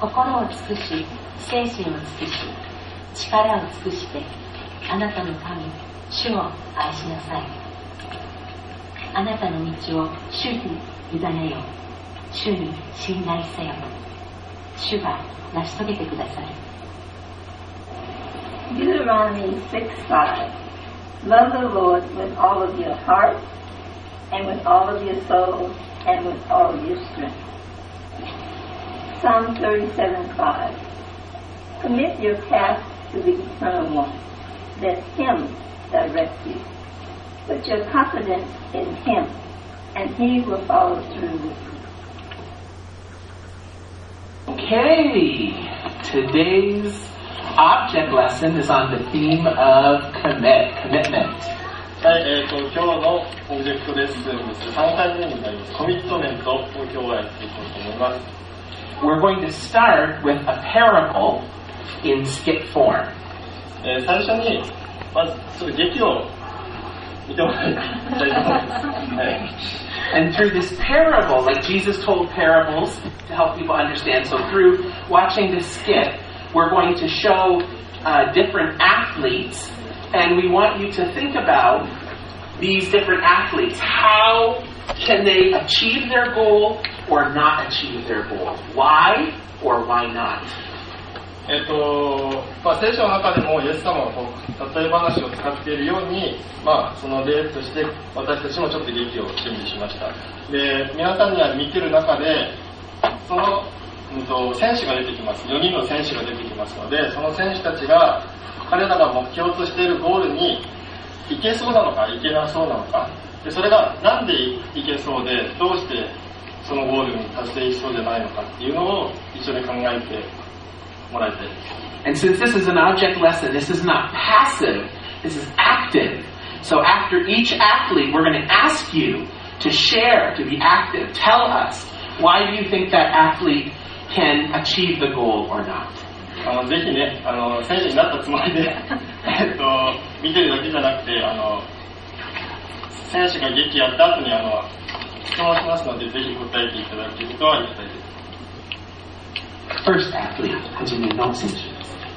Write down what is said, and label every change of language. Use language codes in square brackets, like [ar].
[ja] 心を尽くし、精神を尽くし、力を尽くして、あなたの神主を愛しなさい。あなたの道を主に委ねよ。主に信頼せよ。主が成し遂げてくださる。 [en] Deuteronomy 6:5 Love the Lord with all of your heart and with all of your soul and with all of your strength. Psalm 37:5 Commit your path to the Eternal One. Let Him direct you. Put your confidence in Him and He will follow through with you. Okay, today'sObject lesson is on the theme of commitment. [ja] はい、今日のオブジェクトレッスンの3回目になります。コミットメントを今日はやっていこうと思います。 [en] We're going to start with a parable in skit form. [ja] 最初に、まずちょっと劇を見てもらいたいと思います。はい。 [en] And through this parable, like Jesus told parables to help people understand, so through watching this skit,We're going to show different athletes, and we want you to think about these different athletes. How can they achieve their goal or not achieve their goal? Why or why not? [ja] まあ、聖書の中でもイエス様の例え話を使っているように、まあ、その例として私たちもちょっと劇を準備しました。で、皆さんには見ている中で、その選手が出てきます。 4人の選手が出てきますので、その選手たちが彼らが目標としているゴールに行けそうなのか行けなそうなのか、でそれがなんで行けそうで、どうしてそのゴールに達成しそうじゃないのかっていうのを一緒に考えてもらいたいです。 [en] And since this is an object lesson, this is not passive, this is active. So after each athlete, we're going to ask you to share, to be active. Tell us, why do you think that athleteCan achieve the goal or not? [ja] ぜひね、選手になったつもりで、見てるだけじゃなくて、選手が劇やった後に質問しますので、ぜひ答えていただけるとありがたいです。 [en] First athlete, [ja] はじめの選手です。